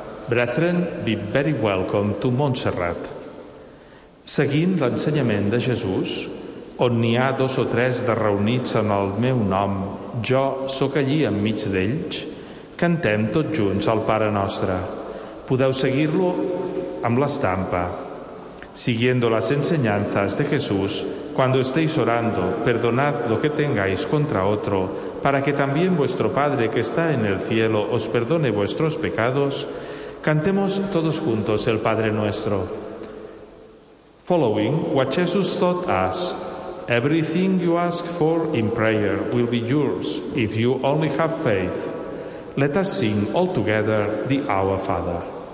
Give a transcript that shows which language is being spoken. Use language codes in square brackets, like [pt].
[en] Brethren, be very welcome to Montserrat. [ca] Seguint l'ensenyament de Jesús, on n'hi ha dos o tres de reunits en el meu nom, jo sóc allí enmig d'ells, cantem tots junts el Pare Nostre. Podeu seguir-lo amb l'estampa. [es] Siguiendo las enseñanzas de Jesús, cuando estéis orando, perdonad lo que tengáis contra otro, para que también vuestro Padre que está en el cielo os perdone vuestros pecados, cantemos todos juntos el Padre Nuestro. [en] Following what Jesus taught us, everything you ask for in prayer will be yours if you only have faith. Let us sing all together the Our Father.